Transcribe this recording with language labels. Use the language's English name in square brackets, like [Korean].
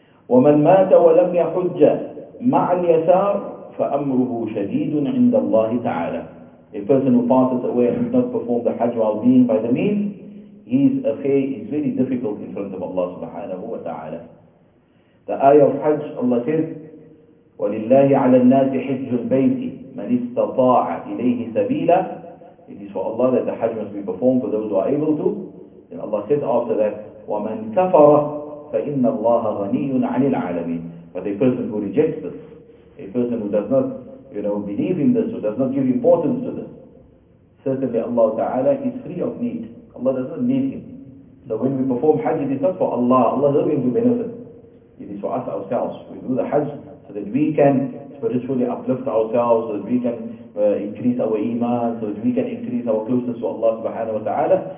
[Arabic] وَمَنْ مَاتَ وَلَمْ يَحُجَّ مَعَ الْيَسَارِ فَأَمْرُهُ شَدِيدٌ عِنْدَ اللَّهِ تَعَالَى. [English] A person who passes away and does not perform the Hajj while being by the means, his affair is very difficult in front of Allah subhanahu wa ta'ala. The ayah of Hajj, Allah says, [Arabic] وَلِلَّهِ عَلَى النَّاسِ حِجُّ الْبَيْتِ مَنِ اسْتَطَاعَ إِلَيْهِ سَبِيلًا. [English] It is for Allah that the Hajj must be performed for those who are able to. Then Allah says after that, [Arabic] وَمَنْ كَفَرَ فَإِنَّ اللَّهَ غَنِيٌّ عَنِ الْعَالَمِينَ. [English] But a person who rejects this, a person who does not, you know, believe in this, who does not give importance to this, certainly Allah Ta'ala is free of need. Allah does not need him. So when we perform Hajj, it is not for Allah. Allah is going to benefit. It is for us ourselves. We do the Hajj so that we can spiritually uplift ourselves, so that we can increase our iman, so that we can increase our closeness to Allah Subhanahu wa Ta'ala.